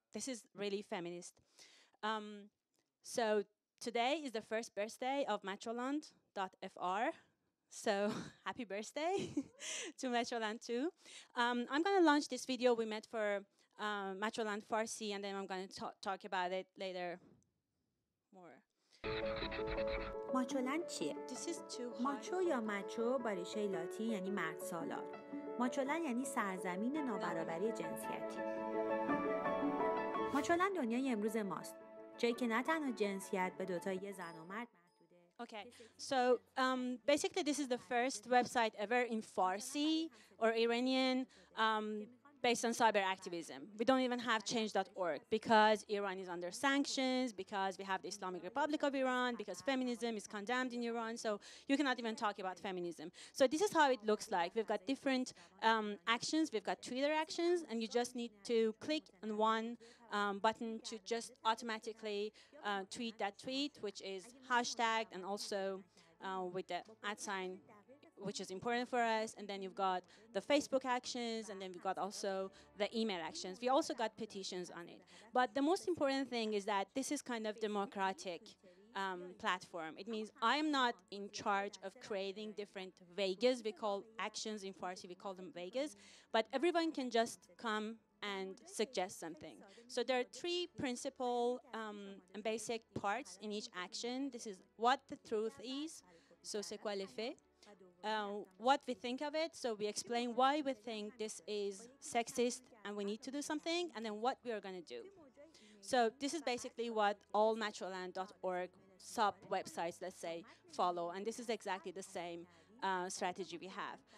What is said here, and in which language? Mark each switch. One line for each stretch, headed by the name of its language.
English: This is really feminist. So today is the first birthday of Macholand.fr. So happy birthday to Macholand too. I'm going to launch this video we met for Macholand Farsi, and then I'm going to talk about it later more.
Persian: Macholand چیه؟
English: This is too high.
Persian: Macho یا macho با ریشه لاتین یعنی مرد سالار. Macholand یعنی سرزمین نابرابری جنسیتی. مچولن دنیای امروز ماست. جایی که نه تنها جنسیت به دوتای یه زن و مرد محدوده.
English: Okay, so basically this is the first website ever in Farsi or Iranian based on cyber activism. We don't even have change.org because Iran is under sanctions, because we have the Islamic Republic of Iran, because feminism is condemned in Iran, so you cannot even talk about feminism. So this is how it looks like. We've got different actions. We've got Twitter actions, and you just need to click on one button to just automatically tweet that tweet, which is hashtagged, and also with the @, which is important for us. And then you've got the Facebook actions, and then we've got also the email actions. We also got petitions on it. But the most important thing is that this is kind of democratic platform. It means I am not in charge of creating different vagas. We call actions in Farsi, we call them vagas. But everyone can just come and suggest something. So there are three principal and basic parts in each action. This is what the truth is, so
French: c'est quoi le fait.
English: What we think of it, so we explain why we think this is sexist and we need to do something, and then what we are going to do. So this is basically what all naturalland.org sub-websites, let's say, follow, and this is exactly the same strategy we have.